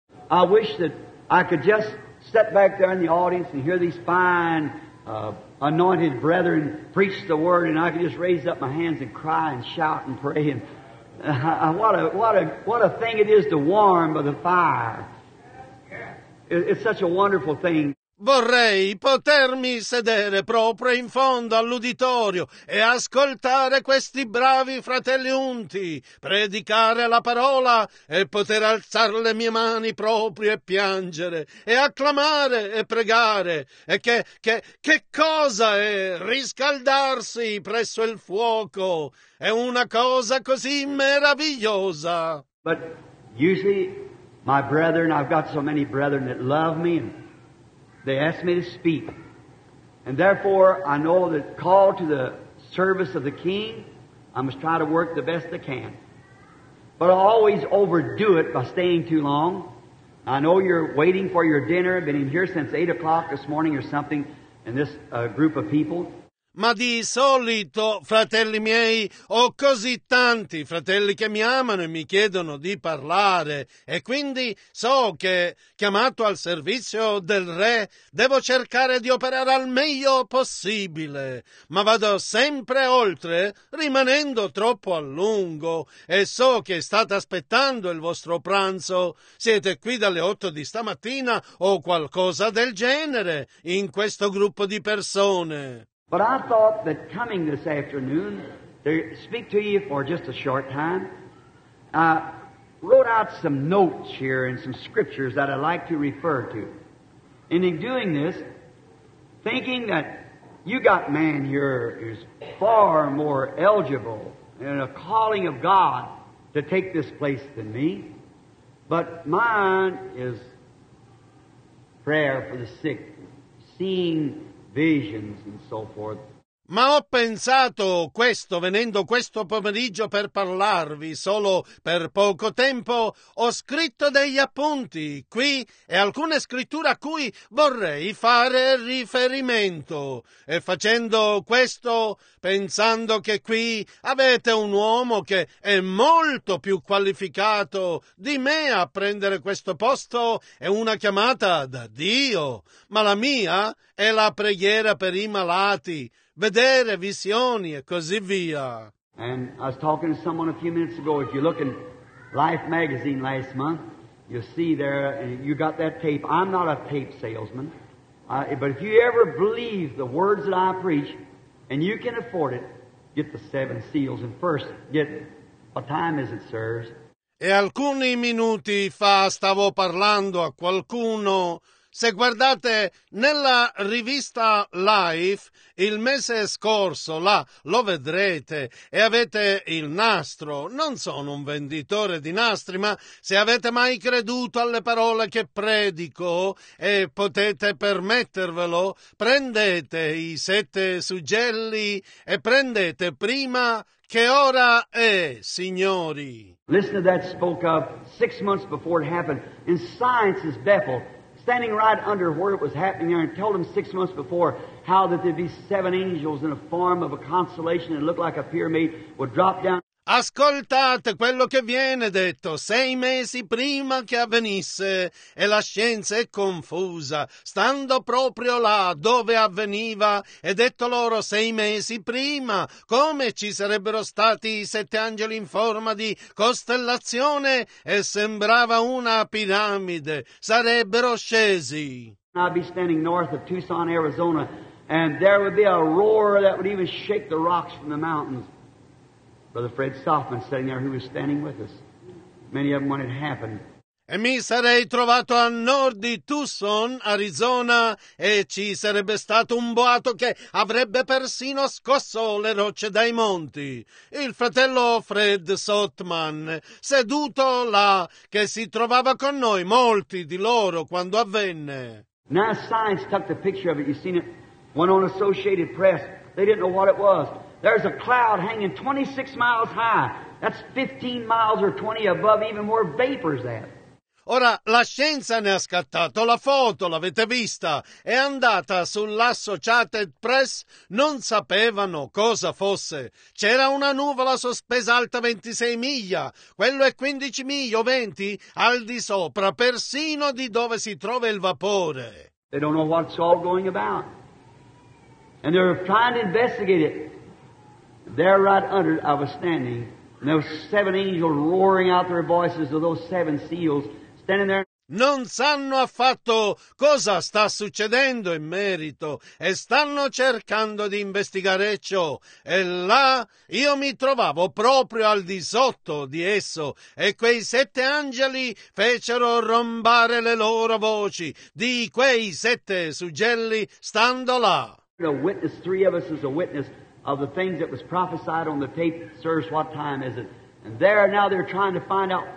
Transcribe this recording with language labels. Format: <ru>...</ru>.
<en>I wish that I could just sit back there in the audience and hear these fine anointed brethren preach the word, and I could just raise up my hands and cry and shout and pray. And what a thing it is to warm by the fire. It's such a wonderful thing.</en> <it>Vorrei potermi sedere proprio in fondo all'uditorio e ascoltare questi bravi fratelli unti, predicare la parola e poter alzare le mie mani proprio e piangere e acclamare e pregare. E che cosa è riscaldarsi presso il fuoco? È una cosa così meravigliosa.</it> <en>But usually my brethren, I've got so many brethren that love me, and they asked me to speak, and therefore I know that called to the service of the King, I must try to work the best I can. But I always overdo it by staying too long. I know you're waiting for your dinner, been in here since 8 o'clock this morning or something, and this group of people.</en> <it>Ma di solito, fratelli miei, ho così tanti fratelli che mi amano e mi chiedono di parlare, e quindi so che, chiamato al servizio del re, devo cercare di operare al meglio possibile, ma vado sempre oltre, rimanendo troppo a lungo, e so che state aspettando il vostro pranzo. Siete qui dalle 8 di stamattina o qualcosa del genere, in questo gruppo di persone.</it> <en>But I thought that coming this afternoon to speak to you for just a short time, I wrote out some notes here and some scriptures that I'd like to refer to. And in doing this, thinking that you got man here is far more eligible and a calling of God to take this place than me, but mine is prayer for the sick, seeing visions and so forth.</en> <it>Ma ho pensato questo venendo questo pomeriggio per parlarvi solo per poco tempo. Ho scritto degli appunti qui e alcune scritture a cui vorrei fare riferimento. E facendo questo, pensando che qui avete un uomo che è molto più qualificato di me a prendere questo posto, è una chiamata da Dio. Ma la mia è la preghiera per i malati. Vedere visioni e così via.</it> <en>And I was talking to someone a few minutes ago. If you look in Life magazine last month, you'll see there, you got that tape. I'm not a tape salesman. But if you ever believe the words that I preach, and you can afford it, get the seven seals and first get what time is it, sirs?</en> <it>E alcuni minuti fa stavo parlando a qualcuno. Se guardate nella rivista Life il mese scorso, là lo vedrete e avete il nastro. Non sono un venditore di nastri, ma se avete mai creduto alle parole che predico e potete permettervelo, prendete i sette suggelli e prendete prima che ora è, signori.</it> <en>Listen to that spoke of 6 months before it happened. In science is baffled. Standing right under where it was happening there and told him 6 months before how that there'd be seven angels in a form of a constellation and look like a pyramid would drop down.</en> <it>Ascoltate quello che viene detto 6 mesi prima che avvenisse e la scienza è confusa, stando proprio là dove avveniva, e detto loro 6 mesi prima, come ci sarebbero stati 7 angeli in forma di costellazione e sembrava una piramide, sarebbero scesi.</it> <en>I'd be standing north of Tucson, Arizona, and there would be a roar that would even shake the rocks from the mountains. Brother Fred Stoffman sitting there, who was standing with us. Many of them when it happened.</en> <it>E mi sarei trovato a nord di Tucson, Arizona, e ci sarebbe stato un boato che avrebbe persino scosso le rocce dai monti. Il fratello Fred Stoffman, seduto là, che si trovava con noi, molti di loro, quando avvenne.</it> <en>Now science took the picture of it. You've seen it. Went on Associated Press. They didn't know what it was. There's a cloud hanging 26 miles high. That's 15 miles or 20 above even where vapor's at.</en> <it>Ora, la scienza ne ha scattato la foto, l'avete vista. È andata sull'Associated Press, non sapevano cosa fosse. C'era una nuvola sospesa alta 26 miglia, quello è 15 miglia o 20 al di sopra, persino di dove si trova il vapore.</it> <en>They don't know what's all going about. And they're trying to investigate it. There right under I was standing, and there were seven angels roaring out their voices to those seven seals, standing there.</en> <it>Non sanno affatto cosa sta succedendo in merito e stanno cercando di investigare ciò. E là io mi trovavo proprio al di sotto di esso e quei 7 angeli fecero rombare le loro voci di quei 7 suggelli stando là.</it> <en>A witness, 3 of us is a witness. Of the things that was prophesied on the tape, sirs, what time is it? And there now they're trying to find out.</en>